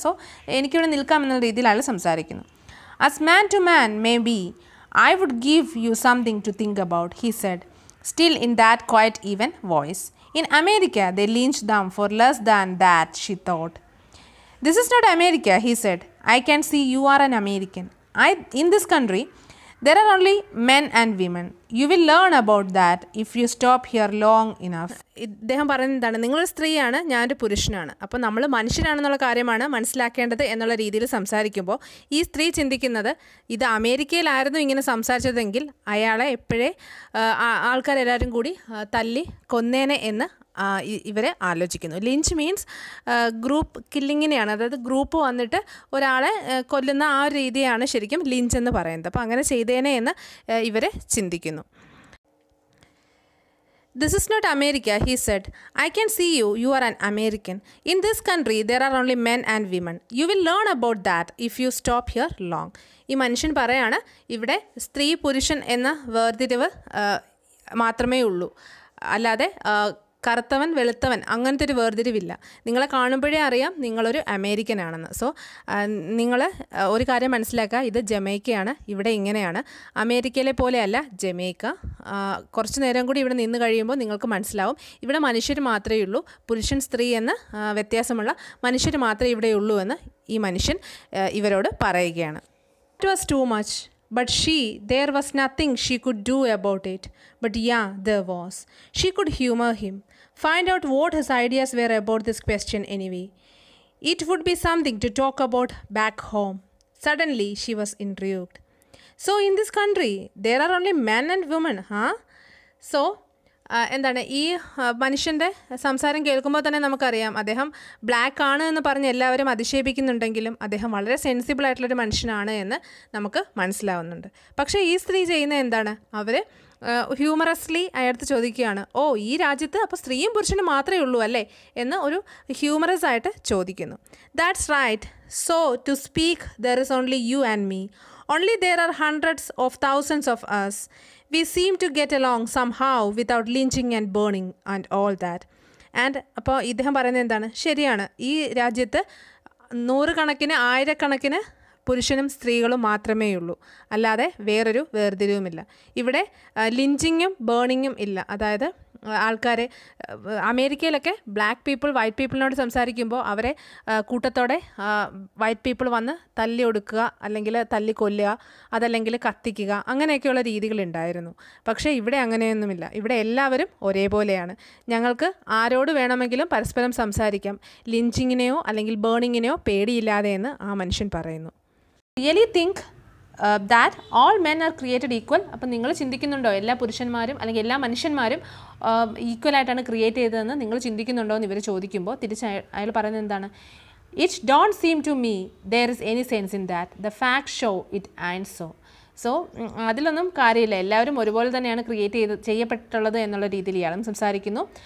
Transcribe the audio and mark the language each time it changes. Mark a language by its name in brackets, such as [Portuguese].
[English] so [Malayalam] എനിക്കിവിടെ നിൽക്കാം എന്നുള്ള രീതിയിലാണ് സംസാരിക്കുന്നു. [English] As man to man may be I would give you something to think about, he said still in that quiet even voice. In America the lynch them for less than that, she thought. This is not America, he said. I can see you are an American. In this country, there are only men and women. You will learn about that if you stop here long enough. [Malayalam] ഇദ്ദേഹം പറയുന്നത് എന്താണ്, നിങ്ങൾ സ്ത്രീയാണ്, ഞാനൊരു പുരുഷനാണ്, അപ്പോൾ നമ്മൾ മനുഷ്യരാണെന്നുള്ള കാര്യമാണ് മനസ്സിലാക്കേണ്ടത് എന്നുള്ള രീതിയിൽ സംസാരിക്കുമ്പോൾ ഈ സ്ത്രീ ചിന്തിക്കുന്നത്, ഇത് അമേരിക്കയിലായിരുന്നു ഇങ്ങനെ സംസാരിച്ചതെങ്കിൽ അയാളെ എപ്പോഴേ ആൾക്കാരെല്ലാവരും കൂടി തല്ലി കൊന്നേനെ എന്ന് ഇവരെ ആലോചിക്കുന്നു. ലിഞ്ച് മീൻസ് ഗ്രൂപ്പ് കില്ലിങ്ങിനെയാണ്, അതായത് ഗ്രൂപ്പ് വന്നിട്ട് ഒരാളെ കൊല്ലുന്ന ആ ഒരു രീതിയാണ് ശരിക്കും ലിഞ്ച് എന്ന് പറയുന്നത്. അപ്പോൾ അങ്ങനെ ചെയ്തേനെ എന്ന് ഇവരെ ചിന്തിക്കുന്നു. [English] This is not America, he said. I can see you. You are an American. In this country, there are only men and women. You will learn about that if you stop here long. [Malayalam] ഈ മനുഷ്യൻ പറയാണ് ഇവിടെ സ്ത്രീ പുരുഷൻ എന്ന വേർതിരിവ് മാത്രമേ ഉള്ളൂ, അല്ലാതെ കറുത്തവൻ വെളുത്തവൻ അങ്ങനത്തെ ഒരു വേർതിരിവില്ല. നിങ്ങളെ കാണുമ്പോഴേ അറിയാം നിങ്ങളൊരു അമേരിക്കൻ ആണെന്ന്. സോ നിങ്ങൾ ഒരു കാര്യം മനസ്സിലാക്കുക, ഇത് ജമൈക്കയാണ്, ഇവിടെ ഇങ്ങനെയാണ്. അമേരിക്കയിലെ പോലെയല്ല ജമൈക്ക. കുറച്ച് നേരം കൂടി ഇവിടെ നിന്ന് കഴിയുമ്പോൾ നിങ്ങൾക്ക് മനസ്സിലാവും ഇവിടെ മനുഷ്യർ മാത്രമേ ഉള്ളൂ, പുരുഷൻ സ്ത്രീ എന്ന വ്യത്യാസമുള്ള മനുഷ്യർ മാത്രമേ ഇവിടെ ഉള്ളൂ എന്ന് ഈ മനുഷ്യൻ ഇവരോട് പറയുകയാണ്. [English] It was too much. But she, there was nothing she could do about it. But yeah, there was. She could humor him. Find out what his ideas were about this question anyway. It would be something to talk about back home. Suddenly, she was intrigued. So, in this country, there are only men and women, huh? [Malayalam] So, എന്താണ് ഈ മനുഷ്യൻ്റെ സംസാരം കേൾക്കുമ്പോൾ തന്നെ നമുക്കറിയാം അദ്ദേഹം black ആണ് എന്ന് പറഞ്ഞ് എല്ലാവരും അതിശയിപ്പിക്കുന്നുണ്ടെങ്കിലും അദ്ദേഹം വളരെ സെൻസിബിൾ ആയിട്ടുള്ളൊരു മനുഷ്യനാണ് എന്ന് നമുക്ക് മനസ്സിലാവുന്നുണ്ട്. പക്ഷേ ഈ സ്ത്രീ ചെയ്യുന്ന എന്താണ്, അവർ ഹ്യൂമറസ്ലി അയാൾ ചോദിക്കുകയാണ്, ഓ ഈ രാജ്യത്ത് അപ്പോൾ സ്ത്രീയും പുരുഷനും മാത്രമേ ഉള്ളൂ അല്ലേ എന്ന് ഒരു ഹ്യൂമറസ് ആയിട്ട് ചോദിക്കുന്നു. [English] That's right. So to speak there is only you and me. Only there are hundreds of thousands of us. We seem to get along somehow without lynching and burning and all that. [Malayalam] And appo idham parayana endana seriyana ee rajyathe 100 kanakine 1000 kanakine purushanum streegalum maatrame ullu allade vera oru verdhiruvum illa ivide lynchingum burningum illa adayathu ആൾക്കാരെ അമേരിക്കയിലൊക്കെ black people white പീപ്പിളിനോട് സംസാരിക്കുമ്പോൾ അവരെ കൂട്ടത്തോടെ white people വന്ന് തല്ലി ഒടുക്കുക അല്ലെങ്കിൽ തല്ലി കൊല്ലുക അതല്ലെങ്കിൽ കത്തിക്കുക അങ്ങനെയൊക്കെയുള്ള രീതികളുണ്ടായിരുന്നു. പക്ഷേ ഇവിടെ അങ്ങനെയൊന്നുമില്ല, ഇവിടെ എല്ലാവരും ഒരേപോലെയാണ്. ഞങ്ങൾക്ക് ആരോട് വേണമെങ്കിലും പരസ്പരം സംസാരിക്കാം, ലിഞ്ചിങ്ങിനെയോ അല്ലെങ്കിൽ ബേണിങ്ങിനെയോ പേടിയില്ലാതെ എന്ന് ആ മനുഷ്യൻ പറയുന്നു. [English] Really think that all men are created equal. [Malayalam] അപ്പോൾ നിങ്ങൾ ചിന്തിക്കുന്നുണ്ടോ എല്ലാ പുരുഷന്മാരും അല്ലെങ്കിൽ എല്ലാ മനുഷ്യന്മാരും ഈക്വൽ ആയിട്ടാണ് ക്രിയേറ്റ് ചെയ്തതെന്ന് നിങ്ങൾ ചിന്തിക്കുന്നുണ്ടോ എന്ന് ഇവർ ചോദിക്കുമ്പോൾ തിരിച്ച് അയാൾ പറയുന്നത് എന്താണ്, [English] It don't seem to me there is any sense in that the fact show it and so. [Malayalam] So അതിലൊന്നും കാര്യമില്ല, എല്ലാവരും ഒരുപോലെ തന്നെയാണ് ക്രിയേറ്റ് ചെയ്യപ്പെട്ടിട്ടുള്ളത് എന്നുള്ള രീതിയിൽ ഇയാളും സംസാരിക്കുന്നു.